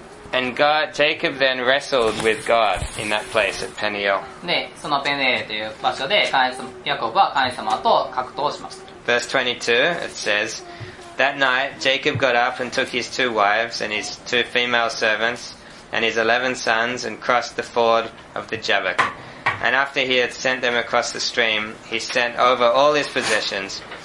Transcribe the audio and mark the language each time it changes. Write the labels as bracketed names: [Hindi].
[English] And God, Jacob then wrestled with God in that place at Peniel. [Japanese] で、そのペネエルという場所で、ヤコブは神様と格闘しました。 [English] Verse 22, it says, That night, Jacob got up and took his two wives and his two female servants and his 11 sons and crossed the ford of the Jabbok. And after he had sent them across the stream, he sent over all his possessions.